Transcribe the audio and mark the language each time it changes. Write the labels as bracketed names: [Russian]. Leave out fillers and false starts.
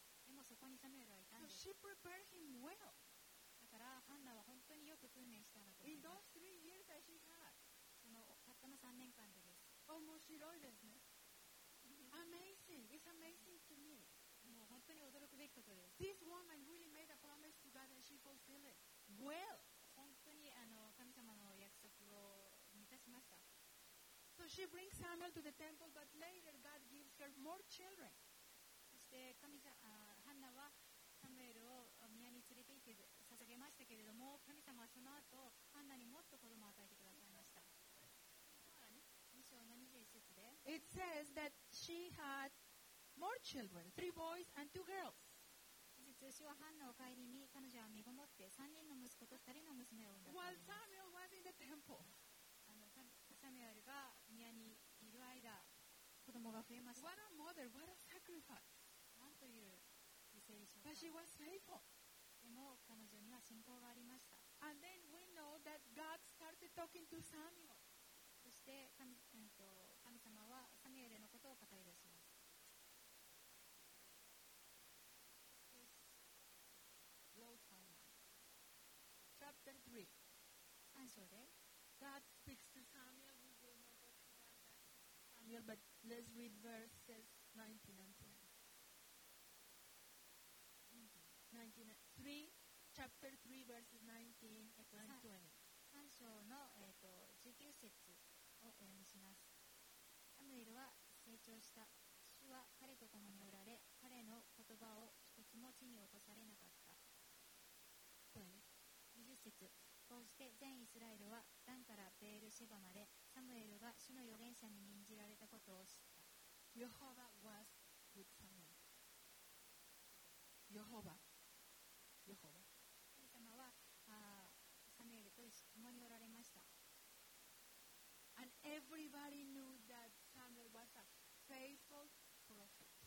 [Japanese] でもそこにサムエルはいたんです。 [English] So she prepared him well. [Japanese] だからハンナは本当によく訓練したんだと思います。 [English] In those 3 years that she had. [Japanese] そのたったの3年間でです。面白いですね。 [English] Amazing. It's amazing to me. [Japanese] もう本当に驚くべきことです。 [English] This woman really made a promise to God and she fulfilled it. Well, [Japanese] 本当に神様の約束を満たしました。 [English] So she brings Samuel to the temple, but later God gives her more children. [Japanese] そして神様、ハンナはサムエルを宮に連れて行って捧げましたけれども、神様はその後ハンナにもっと子供を与えてくださいました。 2章の21節で、 [English] It says that she had more children, 3 boys and 2 girls. [Japanese] 父はハンナを帰りに彼女は身ごもって3人の息子と2人の娘を産んだ。 [English] While Samuel was in the temple, [Japanese] サミュエルが宮にいる間子供が増えました。 [English] What a mother, what a sacrifice. [Japanese] なんという犠牲でしょう [English] か。 But she was faithful. [Japanese] でも彼女には信仰がありました。 [English] And then we know that God started talking to Samuel. [Japanese] そして 神様はサミュエルのことを語り出します。 3章で [English] God speaks to Samuel. We will not talk about that Samuel, but let's read verses 19 and 20. 3 [Japanese] 章の、19節をお読みします。サムエルは成長した。主は彼と共におられ、彼の言葉を一つも地に落とされなかった。 20節。こうして全イスラエルはダンからベールシェバまでサムエルが主の預言者に任じられたことを知った。 [English] ヨホバ was with Samuel. [Japanese] ヨホバ、ヨホバ、神様はサムエルと共におられました。 [English] And everybody knew that Samuel was a faithful prophet.